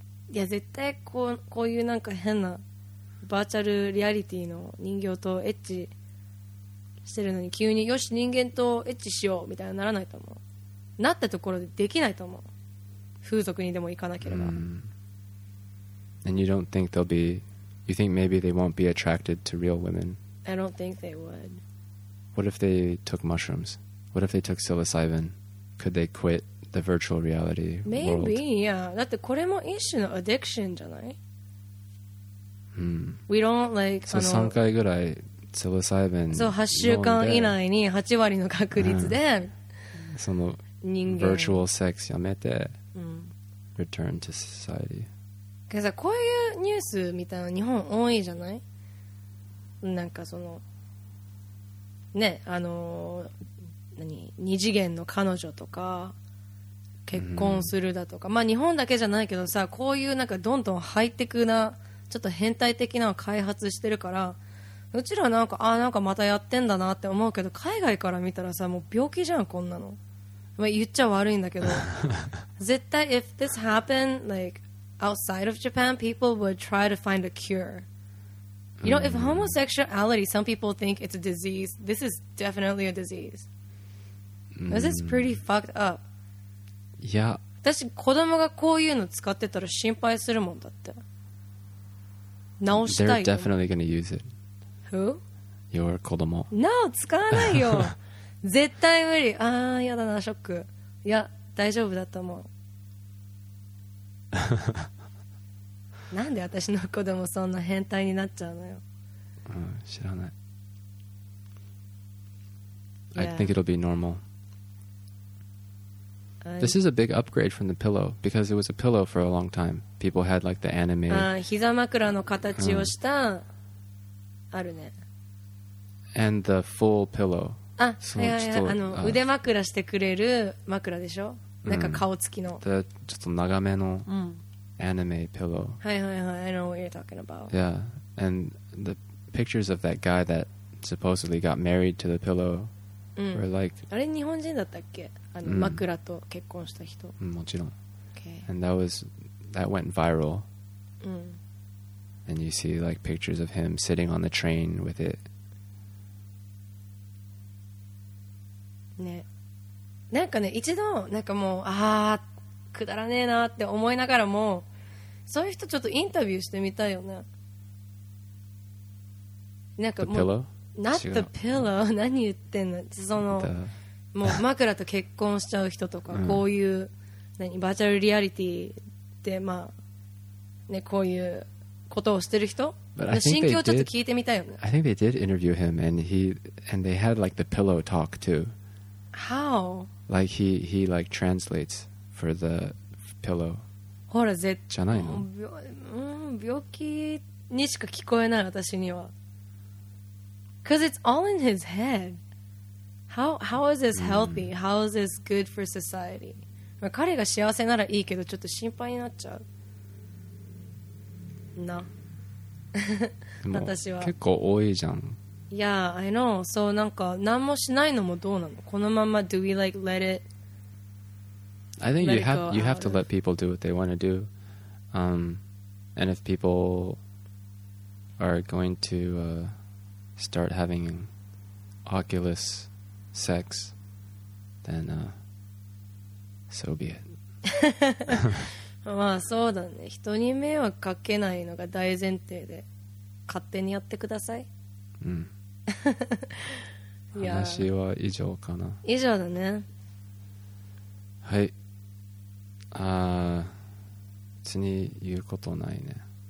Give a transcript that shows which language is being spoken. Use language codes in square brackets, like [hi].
[ja] Yeah, 絶対こういうなんか変なバーチャルリアリティの人形とエッチしてるのに急によし人間とエッチしようみたいにならないと思うなったところでできないと思う風俗にでも行かなければ、 mm. [en] And you don't think they'll be You think maybe they won't be attracted to real women I don't think they would What if they took mushrooms What if they took psilocybin Could they quit the virtual reality maybe, world Maybe yeah [ja] だってこれも一種のアディクションじゃない Mm. [en] We don't like. [ja] So, 3回ぐらい psilocybin. So, 8週間以内に8割の確率で、その人間 [en] virtual sex [ja] やめて、 [en] うん、return to society。 [ja] けどさ、こういうニュースみたいな日本多いじゃない？なんかそのね、何、二次元の彼女とか結婚するだとか、うん、まあ日本だけじゃないけどさ、こういうなんかどんどんハイテクなちょっと変態的なのを開発してるから、うちらなんか、あ、なんかまたやってんだなって思うけど、海外から見たらさ、もう病気じゃんこんなの。まあ、言っちゃ悪いんだけど絶対 [en] if this happened like outside of Japan, people would try to find a cure. You know, if homosexuality, some people think it's a disease, this is definitely a disease. This is pretty fucked up. [ja] いや、私子供がこういうの使ってたら心配するもんだって。直したいよ。 [en] They're definitely gonna use it. Who? Your 子供。 [ja] No, 使わないよ絶対無理。あー、やだな、ショック。いや、大丈夫だと思うなんで私の子供そんな変態になっちゃうのよ。うん、知らない、 [en] yeah. I think it'll be normal. This is a big upgrade from the pillow, because it was a pillow for a long time. People had like the anime. [ja] あー、膝枕の形をした、うん、あるね。 [en] And the full pillow。 [ja] あ、いやいや、あの、腕枕してくれる枕でしょ、うん、なんか顔つきのちょっと長めのアニメピロー、う [en] ん、はいはいはい、 I know what you're talking about. Yeah, and the pictures of that guy that supposedly got married to the pillow were like、う [ja] ん、あれ日本人だったっけ、あの、うん、枕と結婚した人、うん、もちろん、 [en] okay. And that was, that went viral、 [ja] うん、 [en] And you see like pictures of him sitting on the train with it [ja] ね、なんかね、一度なんかもう、あー、くだらねえなーって思いながらも、そういう人ちょっとインタビューしてみたいよね。なんかもう、 [en] not the pillow、 [ja] 何言ってんの、その、もう枕と結婚しちゃう人とか、こういう、何、バーチャルリアリティで、まあ、ね、こういうことをしてる人、心境ちょっと聞いてみたいよね。 [en] I think they did interview him, and he, and they had like the pillow talk too. How? Like he like translates for the pillow. [ja] ほら、絶じゃないの、病気にしか聞こえない、私には。 [en] Cause it's all in his head. How is this healthy? How is this good for society? [ja] 彼が幸せならいいけど、ちょっと心配になっちゃう。な、私は結構多いじゃん。 [en] Yeah, I know. [ja] So, なんか何もしないのもどうなの？このまま、 [en] do we like let it? I think you have to let people do what they want to do. And if people are going to start having Oculus sex, then so be it. [ja] まあそうだね。人に迷惑かけないのが大前提で、勝手にやってください。うん。話は以上かな。以上だね。はい。あ、別に言うことないね。